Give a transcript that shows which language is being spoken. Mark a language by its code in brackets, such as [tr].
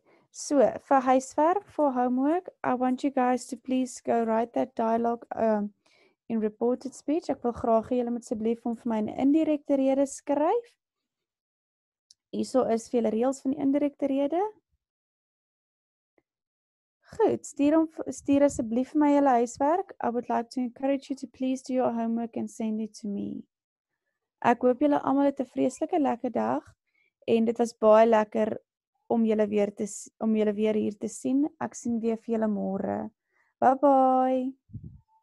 [en] So, for huiswerk, for homework, I want you guys to please go write that dialogue in reported speech. [af] Ek wil graag julle met asseblief om vir my 'n indirekte rede skryf. Hierso is vir julle reëls van die indirekte rede. Goed, stuur asseblief vir my julle huiswerk. [en] I would like to encourage you to please do your homework and send it to me. [af] Ek hoop julle almal het 'n vreeslike lekker dag en dit was baie lekker om julle weer hier te sien. Ek sien weer vir julle môre. Bye bye.